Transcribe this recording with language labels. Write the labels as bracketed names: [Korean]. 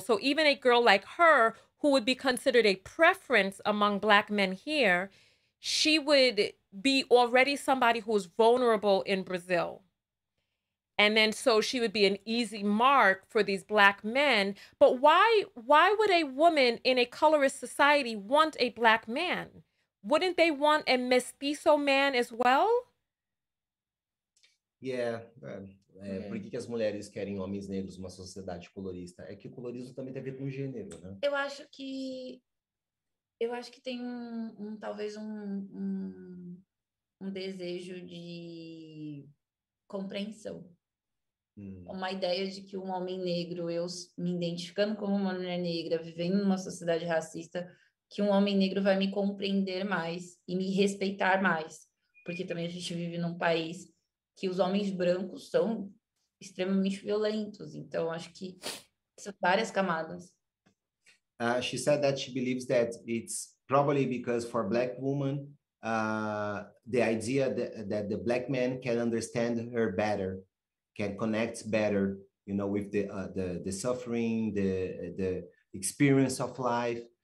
[English] So even a girl like her, who would be considered a preference among Black men here, she would be already somebody who is vulnerable in Brazil. And then so she would be an easy mark for these Black men. But why would a woman in a colorist society want a Black man? Wouldn't they want a mestizo man as well? Yeah. [Portuguese] Por que as mulheres querem homens negros numa sociedade colorista? É que o colorismo também tem a ver com gênero, né? Eu acho que tem um desejo de compreensão. Uma ideia de que um homem negro, eu me identificando como uma mulher negra, vivendo numa sociedade racista, que um homem negro vai me compreender mais e me respeitar mais. Porque também a gente vive num país que os homens brancos são extremamente violentos. Então, acho que são várias camadas. [English] She said that she believes that it's probably because for Black women, the idea that the Black man can understand her better, can connect better, you know, with the suffering, the experience of life.